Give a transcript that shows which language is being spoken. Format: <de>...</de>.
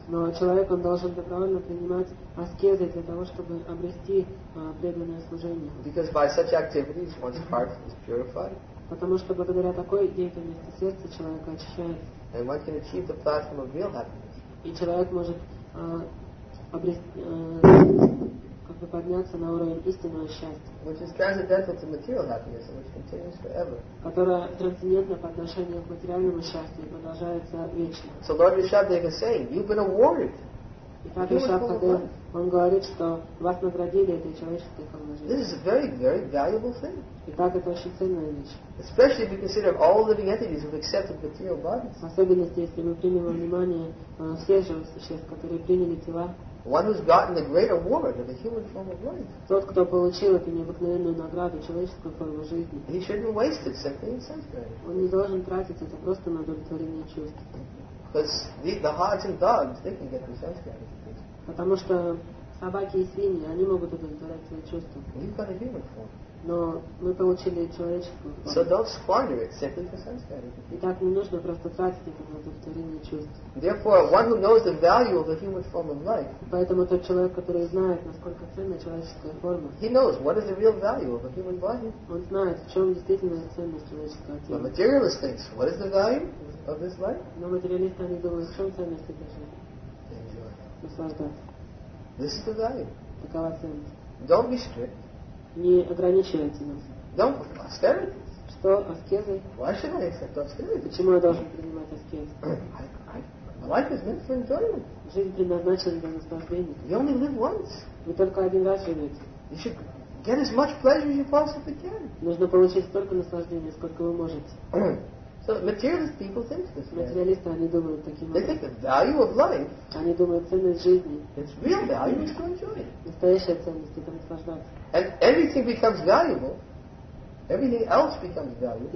<ru>Но человек он должен добровольно принимать аскезы для того, чтобы обрести преданное служение.</ru> <en>Because by such activities one's heart is purified.</en> <ru>Потому что благодаря такой деятельности сердце человека очищается.</ru> <en>And one can achieve the platform of real happiness.</en> <ru>И человек может обрести как бы подняться на уровень истинного счастья,</ru> <en>which is transcendental to material happiness and which continues forever.</en> <ru>Которая трансцендентна по отношению к материальному счастью и продолжается вечно.</ru> <en>So Lord Vishabdev is saying, you've been awarded.</en> <ru>Итак, Вишабхадев, он говорит, что вас наградили этой человеческой формой жизни.</ru> <en>This is a very, very valuable thing.</en> <ru>Итак, это очень ценная вещь.</ru> <en>Especially if you consider all living entities who've accepted material bodies.</en> <ru>Особенно если мы примем во внимание всех живых существ, которые приняли тела.</ru> <en>One who's gotten the great award of the human form of life.</en> <ru>Тот, кто получил эту необыкновенную награду человеческой формы жизни.</ru> <en>He shouldn't waste it simply in sense gratification.</en> <ru>Он не должен тратить это просто на удовлетворение чувств.</ru> <en>Because the hogs and dogs, they can get the sense gratification.</en> <ru>Потому что собаки и свиньи, они могут удовлетворять свои чувства.</ru> <en>You've got a human form.</en> <ru>Но мы получили человеческую форму.</ru> <en>So don't squander it simply for sense gratification.</en> <ru>Итак, не нужно просто тратить это на удовлетворение чувств.</ru> <en>Therefore, one who knows the value of the human form of life.</en> <ru>Поэтому тот человек, который знает, насколько ценна человеческая форма.</ru> <en>He knows what is the real value of a human body.</en> <ru>Он знает, в чем действительно ценность человеческого тела.</ru> <en>But materialist thinks, what is the value of this life?</en> <ru>Но материалисты они думают, в чем ценность этой жизни?</ru> <en>Enjoy.</en> <ru>Наслаждаться.</ru> <en>This is the value.</en> <ru>Такова ценность.</ru> <en>Don't be strict.</en> <ru>Не ограничивайте нас.</ru> <en>Don't put austerities.</en> <ru>Что аскезы?</ru> <en>Why should I accept austerities?</en> <ru>Почему я должен принимать аскезы?</ru> <en>Life is meant for enjoyment.</en> <ru>Жизнь предназначена для наслаждения.</ru> <en>You only live once.</en> <ru>Вы только один раз живете.</ru> <en>You should get as much pleasure as you possibly can.</en> <ru>Нужно получить столько наслаждения, сколько вы можете.</ru> <en>So materialist people think this.</en> <ru>Материалисты они думают таким образом.</ru> <en>They think the value of life.</en> <ru>Они думают ценность жизни.</ru> <en>Its real value is to enjoy.</en> <ru>Настоящая ценность это наслаждаться.</ru> <en>And everything becomes valuable. Everything else becomes valuable.</en>